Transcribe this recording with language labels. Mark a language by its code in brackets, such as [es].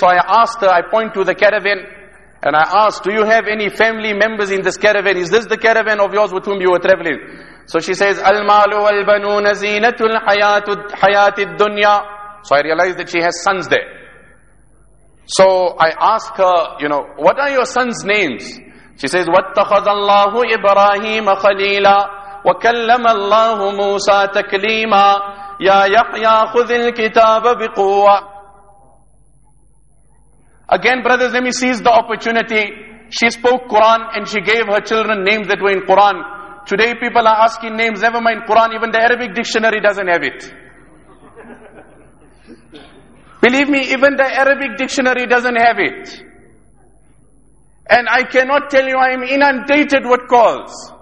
[en] So I asked her, I point to the caravan and I asked, do you have any family members in this caravan? Is this the caravan of yours with whom you were traveling? So she says, [ar] Al-Malu wal-Banuna zinatul hayatid dunya. [en] So I realized that she has sons there. So I asked her, you know, what are your sons' names? She says, [ar] وَاتَّخَذَ اللَّهُ إِبْرَاهِيمَ خَلِيلًا وَكَلَّمَ اللَّهُ مُوسَى تَكْلِيمًا يَا يَحْيَا خُذِ الْكِتَابَ بِقُوَّةٍ. [en] Again, brothers, let me seize the opportunity. She spoke Quran and she gave her children names that were in Quran. Today people are asking names, never mind Quran, even the Arabic dictionary doesn't have it. Believe me, even the Arabic dictionary doesn't have it. And I cannot tell you, I am inundated with calls.